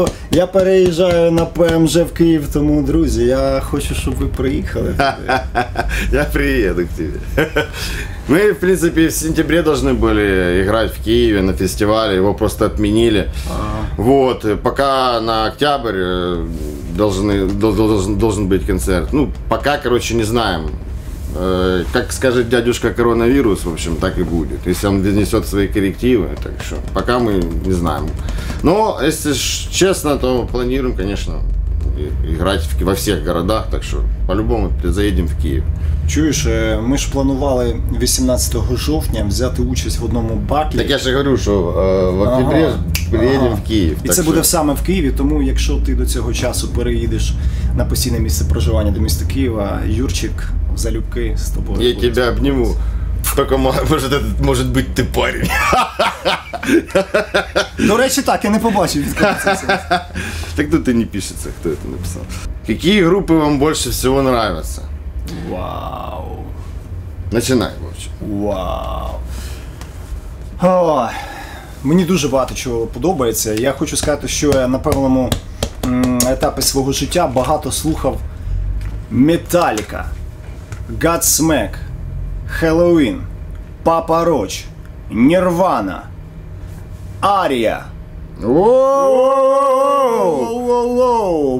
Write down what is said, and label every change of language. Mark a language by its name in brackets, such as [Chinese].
[Ukrainian] Я переїжджаю на ПМЖ в Київ, тому, друзі, я хочу, щоб ви приїхали. Я приїду к тебе. [Russian] Мы, в принципе, в сентябре должны были играть в Киеве на фестивале, его просто отменили. Ага. Вот, пока на октябрь должен быть концерт. Ну, пока, короче, не знаем. Как скажет дядюшка коронавирус, в общем, так и будет. Если он внесет свои коррективы, так что пока мы не знаем. Но, если честно, то планируем, конечно, играть во всех городах, так что по-любому заедем в Киев. [Ukrainian] Чуєш, ми ж планували 18 жовтня взяти участь в одному батлі. Так я ж говорю, що в октябрі приїдемо в Київ. І це буде саме в Києві, тому якщо ти до цього часу переїдеш на постійне місце проживання до міста Києва, Юрчик, залюбки з тобою. Я тебе обніму. Тільки може бути ти парень. До речі, так, я не побачив від кого це. Так тут і не пишеться, хто це написав. Які групи вам більше всього подобаються? Вау. [Russian] Начинай, вовче. Вау. [Ukrainian] Мені дуже багато чого подобається. Я хочу сказати, що я на певному етапі свого життя багато слухав Metallica, Godsmack, Halloween, Papa Roach, Nirvana, Aria. Воу-воу-воу-воу-воу-воу-воу.